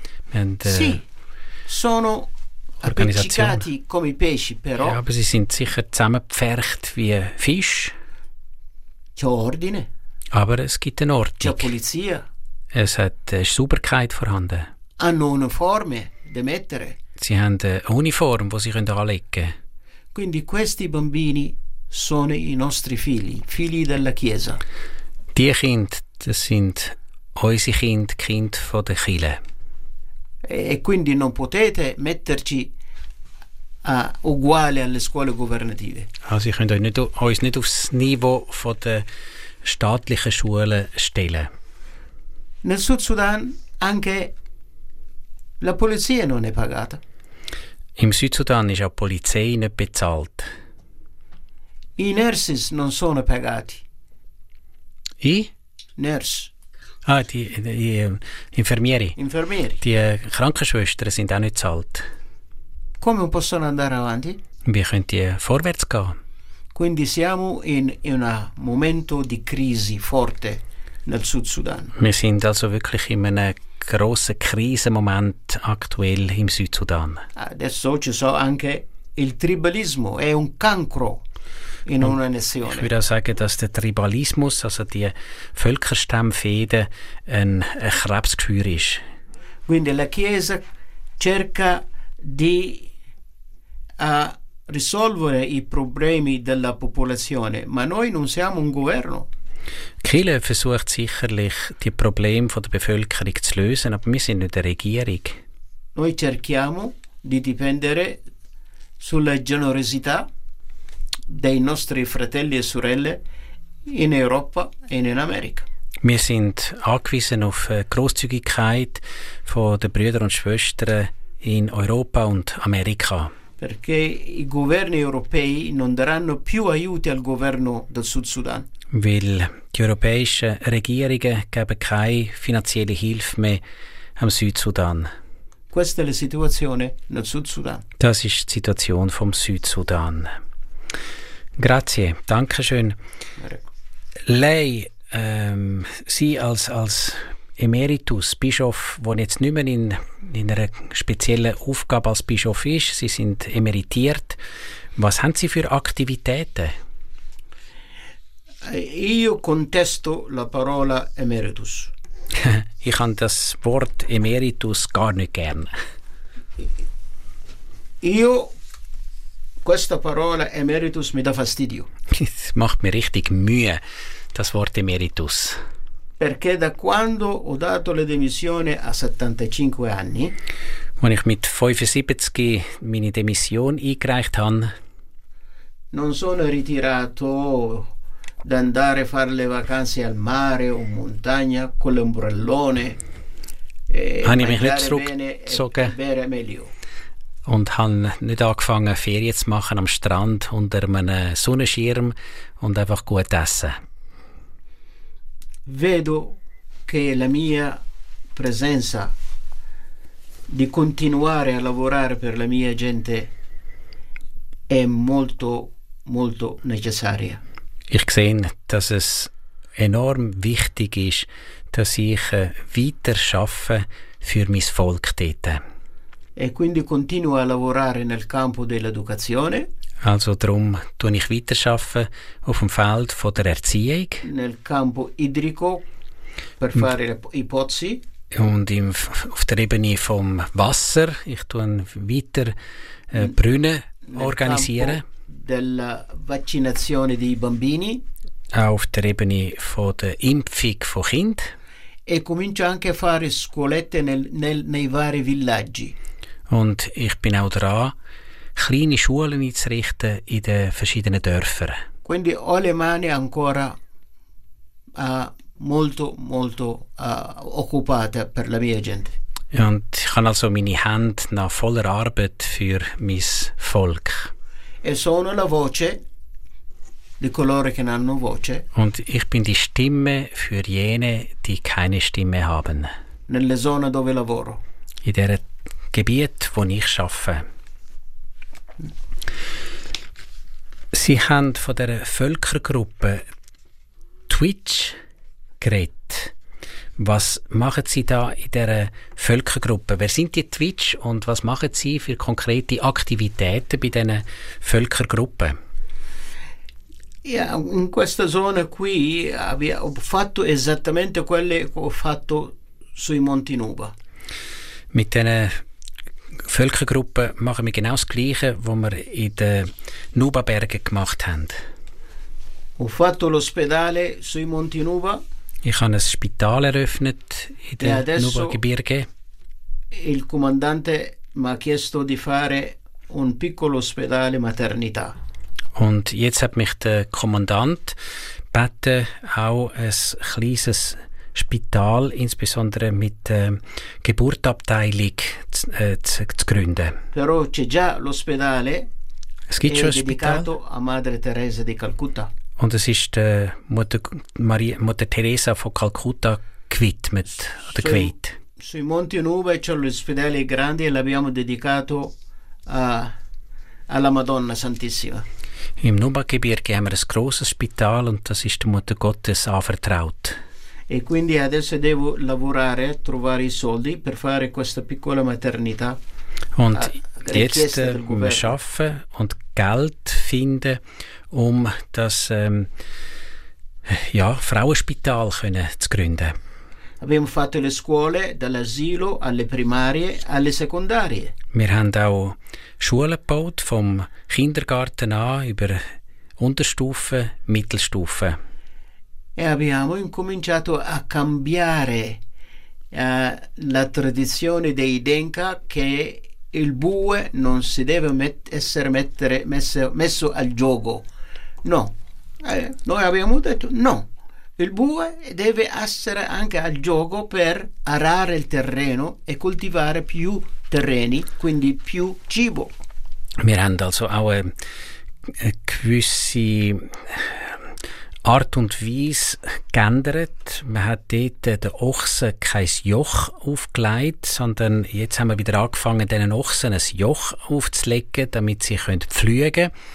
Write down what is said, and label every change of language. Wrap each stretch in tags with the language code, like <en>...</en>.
<de>Wir haben,</de> <it>sono appiccicati come i pesci, però.</it> <de>Ja, aber sie sind sicher zusammengepfercht wie Fisch.</de> <it>C'è ordine.</it> <de>Aber es gibt eine Ordnung.</de> <it>C'è polizia.</it> <de>Es hat Sauberkeit vorhanden.</de> <it>Hanno uniforme da mettere.</it> <de>Sie haben eine Uniform, die sie können anlegen können.</de> <it>Quindi questi bambini sono i nostri figli, figli della Chiesa.</it> <de>Die Kinder, das sind unsere Kinder, Kinder von der Chile.</de> <it>E quindi non potete metterci uguale alle scuole governative.</it> <de>Also ihr könnt uns nicht aufs Niveau von der staatlichen Schule stellen.</de> <it>Nel Sud Sudan anche la polizia non è pagata.</it> <de>Im Südsudan ist auch die Polizei nicht bezahlt.</de> <it>I nurses non sono pagati. I?</it> <en>Nurse.</en> <de>Ah, die Infermieri.</de> <it>Infermieri.</it> <de>Die Krankenschwestern sind auch nicht bezahlt.</de> <it>Come possono andare avanti?</it> <de>Wie können die vorwärts gehen?</de> <it>Quindi siamo in un momento di crisi forte nel Südsudan.</it> <de>Wir sind also wirklich in einem grossen Krisenmoment aktuell im Südsudan.</de> <it>Adesso ci sono anche il tribalismo, è un cancro in una nazione.</it> <de>Ich würde auch sagen, dass der Tribalismus, also die Völkerstammfäden, ein Krebsgeschwür ist.</de> <it>Quindi la Chiesa cerca di risolvere i problemi della popolazione, ma noi non siamo un governo.</it> <de>Kirche versucht sicherlich, die Probleme von der Bevölkerung zu lösen, aber wir sind nicht der Regierung.</de> <it>Noi cerchiamo di dipendere sulla generosità dei nostri fratelli e sorelle in Europa e in America.</it> <de>Wir sind angewiesen auf Großzügigkeit von der Brüder und Schwestern in Europa und Amerika.</de> <it>Perché i governi europei non daranno più aiuti al governo del Sud Sudan.</it> <de>Weil die europäischen Regierungen geben keine finanzielle Hilfe mehr am Südsudan.</de> <it>Questa è la situazione nel Sud Sudan.</it> <de>Das ist die Situation vom Südsudan. Grazie, danke schön. Lei, Sie als Emeritus, Bischof, der jetzt nicht mehr in einer speziellen Aufgabe als Bischof ist, Sie sind emeritiert. Was haben Sie für Aktivitäten?</de> <it>Io contesto la parola emeritus.</it> <de>Ich habe das Wort emeritus gar nicht gern.</de> <it>Io questa parola emeritus mi dà fastidio.</it> <de>Das macht mir richtig Mühe, das Wort emeritus.</de> <it>Perché da quando ho dato le dimissioni a 75 anni,</it> <de>wenn ich mit 75 meine Demission eingereicht habe,</de> <it>non sono ritirato d'andare a fare le vacanze al mare o in montagna con l'ombrellone e bere meglio.</it> <de>Und habe nicht angefangen, Ferien zu machen am Strand unter einem Sonnenschirm und einfach gut essen.</de> <it>Vedo che la mia presenza di continuare a lavorare per la mia gente è molto, molto necessaria.</it> <de>Ich sehe, dass es enorm wichtig ist, dass ich weiter schaffe für mein Volk dort.</de> <it>E quindi continuo a lavorare nel campo dell'educazione.</it> <de>Also darum tue ich weiter schaffe auf dem Feld von der Erziehung.</de> <it>Nel campo idrico per fare i pozzi.</it> <de>Und auf der Ebene vom Wasser, ich tue weiter Brunnen organisieren.</de> <it>Della vaccinazione dei bambini.</it> <de>Auch auf der Ebene von der Impfung von Kind.</de> <it>E comincio anche a fare scuolette nei vari villaggi.</it> <de>Und ich bin auch dran, kleine Schulen einzurichten in den verschiedenen Dörfern.</de> <it>Quindi ho le mani ancora molto, molto occupate per la mia gente.</it> <de>Und ich habe also meine Hände nach voller Arbeit für mein Volk.</de> <it>E sono la voce di coloro che non hanno voce.</it> <de>Und ich bin die Stimme für jene, die keine Stimme haben.</de> <it>Nelle zone dove lavoro.</it> <de>In der Gebiet, wo ich schaffe. Sie haben von der Völkergruppe Twitch geredet. Was machen Sie da in der Völkergruppe? Wer sind die Twitch und was machen Sie für konkrete Aktivitäten bei diesen Völkergruppen?</de> <it>Ja, in questa zona qui ho fatto esattamente quelle che ho fatto sui Monti Nuba.</it> <de>Mit diesen Völkergruppen machen wir genau das Gleiche, was wir in den Nuba-Bergen gemacht haben.</de> <it>Ho fatto l'ospedale sui Monti Nuba.</it> <de>Ich habe ein Spital eröffnet in den Nuba-Gebirge.</de> <it>Il comandante mi ha chiesto di fare un piccolo ospedale maternità.</it> <de>Und jetzt hat mich der Kommandant gebeten, auch ein kleines Spital, insbesondere mit der Geburtabteilung, zu gründen.</de> <it>Però c'è già l'ospedale.</it> <de>Es gibt schon ein</de> <it>dedicato</it> <de>Spital.</de> <it>A Madre Teresa di Calcutta.</it> <de>Und es ist der Mutter Teresa von Calcutta gewidmet.</de> <it>Sui Monti Nuba c'è l'ospedale grande e l'abbiamo dedicato alla Madonna Santissima.</it> <de>Im Nuba-Gebirge haben wir ein grosses Spital und das ist der Mutter Gottes anvertraut.</de> <it>E quindi adesso devo lavorare, trovare i soldi per fare questa piccola maternità.</it> <de>Und jetzt wir schaffen und Geld finden, um das Frauenspital können zu gründen.</de> <it>Abbiamo fatto le scuole dall'asilo alle primarie alle secondarie.</it> <de>Wir haben auch Schulen gebaut, vom Kindergarten an über Unterstufe, Mittelstufe.</de> <it>e abbiamo incominciato a cambiare la tradizione dei Denka, che il bue non si deve essere messo al gioco. No, noi abbiamo detto no, il bue deve essere anche al gioco per arare il terreno e coltivare più terreni, quindi più cibo.</it> <de>Miranda, also auch gewisse Art und Weise geändert. Man hat dort den Ochsen kein Joch aufgelegt, sondern jetzt haben wir wieder angefangen, diesen Ochsen ein Joch aufzulegen, damit sie können pflügen können.</de>